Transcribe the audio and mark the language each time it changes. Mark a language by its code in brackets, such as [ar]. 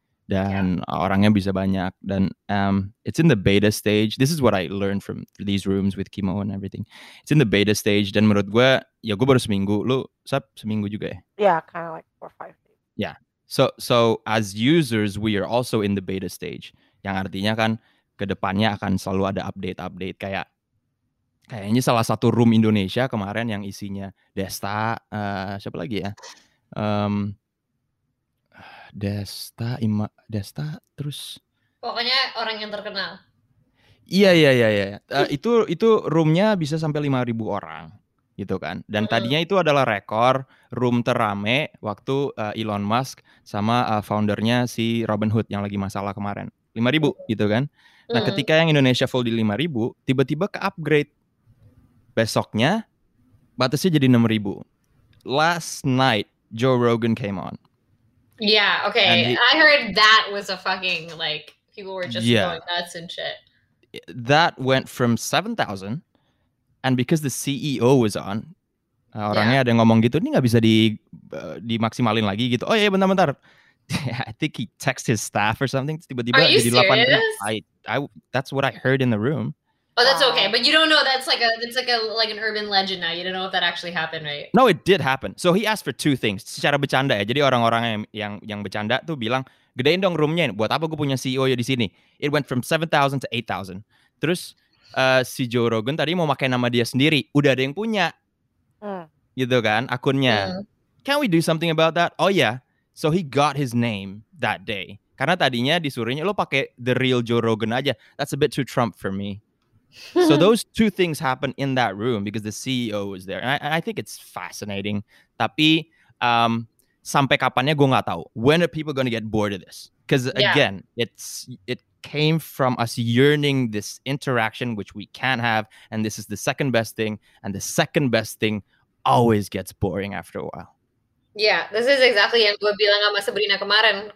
[id] Dan orangnya bisa banyak. Dan [en] it's in the beta stage. This is what I learned from these rooms with Kimo and everything. It's in the beta stage. [id] Dan menurut gue, ya gue baru seminggu. Lu, Sab, seminggu juga ya? [en] Yeah, kind of like 4 or 5 days. Yeah. So as users, we are also in the beta stage. [id] Yang artinya kan, kedepannya akan selalu ada update-update. Kayaknya salah satu room Indonesia kemarin yang isinya Desta, siapa lagi ya? Desta, Ima, Desta, terus. Pokoknya orang yang terkenal. Iya. Itu roomnya bisa sampai 5.000 orang, gitu kan. Dan tadinya itu adalah rekor room terame waktu Elon Musk sama foundernya si Robinhood yang lagi masalah kemarin. 5.000, gitu kan. Nah, ketika yang Indonesia full di 5.000, tiba-tiba ke-upgrade. Besoknya, batasnya jadi 6.000. [en] Last night, Joe Rogan came on. Yeah, okay. I heard that was a fucking, like, people were just going nuts and shit. That went from 7,000, and because the CEO was on, [id] Orangnya ada yang ngomong gitu, ini nggak bisa dimaksimalin lagi gitu. Oh iya, bentar-bentar. [en] I think he texted his staff or something. [id] Tiba-tiba jadi 8. [en] That's what I heard in the room. Oh, that's okay. But you don't know. That's like an urban legend now. You don't know if that actually happened, right? No, it did happen. So he asked for two things. [id] Secara bercanda ya. Jadi orang-orang yang bercanda tuh bilang, gedein dong roomnya. Buat apa gue punya CEO ya di sini? [en] It went from 7,000 to 8,000. [id] Terus si Joe Rogan tadi mau pakai nama dia sendiri. Udah ada yang punya. Gitu kan, akunnya. [en] Can we do something about that? Oh yeah. So he got his name that day. [id] Karena tadinya disuruhnya, lo pakai the real Joe Rogan aja. [en] That's a bit too Trump for me. So those two things happened in that room because the CEO was there. And I think it's fascinating. [id] Tapi sampai kapannya gue gak tahu. [en] When are people going to get bored of this? Because again, it came from us yearning this interaction, which we can't have. And this is the second best thing. And the second best thing always gets boring after a while. Yeah, this is exactly [id] yang gue bilang sama Sabrina kemarin.